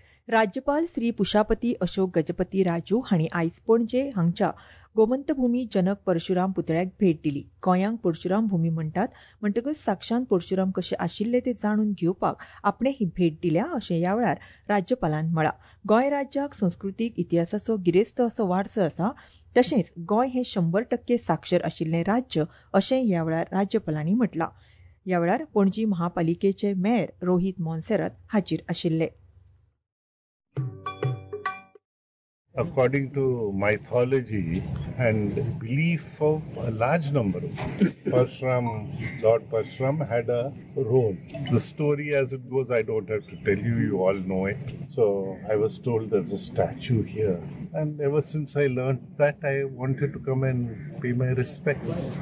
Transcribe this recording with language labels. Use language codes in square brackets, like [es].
[gom] राज्यपाल श्री पुशापती अशोक गजपती राजू हांणी आयज पणजे हांगाच्या गोमंतभूमी जनक परशुराम पुतळ्याक भेट दिली. गोंयांक परशुराम भूमी म्हणतात म्हणटकच साक्षात परशुराम कशे आशिल्ले ते जाणून घेवपाक आपणे ही भेट दिल्या अशें या वेळार राज्यपालान म्हळा. गोंय राज्याक संस्कृतीक इतिहासाचो गिरेस्त असो वारसो आसा, तशेंच गोंय हे 100% साक्षर आशिल्ले राज्य अशें या वेळार राज्यपालांनी म्हटलां. या वेळार पणजी महापालिकेचे मेयर रोहित मोन्सेरत हाजीर आशिल्ले. [en] According to mythology and belief of a large number of Parshuram, Lord Parshuram had a role. The story as it goes, I don't have to tell you, you all know it. So I was told there's a statue here. And ever since I learned that, I wanted to come and pay my respects.